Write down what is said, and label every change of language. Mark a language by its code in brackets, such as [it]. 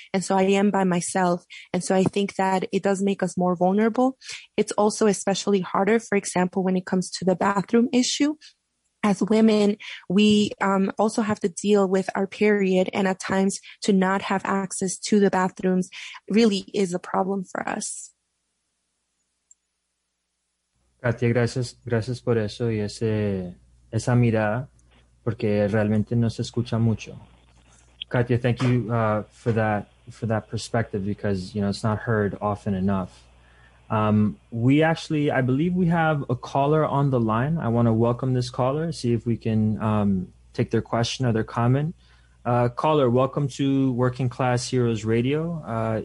[en] And so I am by myself. And so I think that it does make us more vulnerable. It's also especially harder, for example, when it comes to the bathroom issue. as women, we also have to deal with our period, and at times to not have access to the bathrooms really is a problem for us. [es] Katia, gracias por eso y esa mirada, porque realmente no se escucha mucho. [en] Katia, thank you for that perspective, because you know it's not heard often enough. I believe we have a caller on the line. I want to welcome this caller, see if we can take their question or their comment. Caller, welcome to Working Class Heroes Radio.